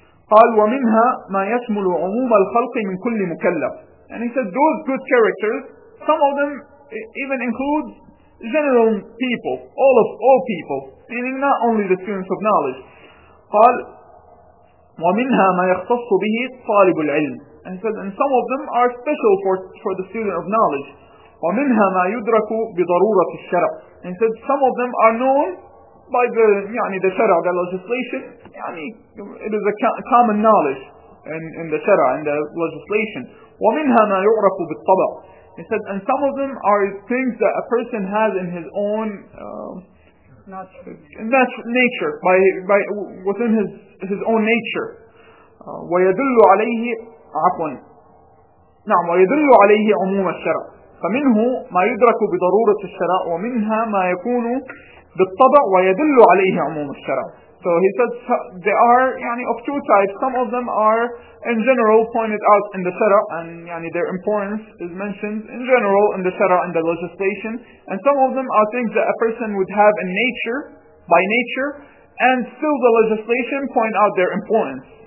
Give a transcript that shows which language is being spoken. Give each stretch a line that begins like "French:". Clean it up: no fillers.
Arabic: قال ومنها ما يشمل عموم الخلق من كل مكلف.
English: And he said those good characters, some of them even include general people, all people, meaning not only the students of knowledge.
Arabic: قال ومنها ما يختص به طالب العلم.
English: And he said and some of them are special for the student of knowledge.
Arabic: ومنها ما يدرك بضرورة الشرع.
English: And he said some of them are known by the يعني the شرع, the legislation. يعني it is a common knowledge in the شرع, in the legislation.
Arabic: ومنها ما يعرف بالطبع.
English: He said, and some of them are things that a person has in his own nature, by within his own nature.
Arabic: ويدل عليه عفوا. نعم ويدل عليه عموم الشرع. فمنه ما يدرك بضرورة الشرع ومنها ما يكون بالطبع ويدل عليه عموم الشرع.
English: So he said they are يعني of two types. Some of them are in general pointed out in the Shara and يعني their importance is mentioned in general in the Shara and the legislation. And some of them are things that a person would have in nature, by nature, and still the legislation point out their importance.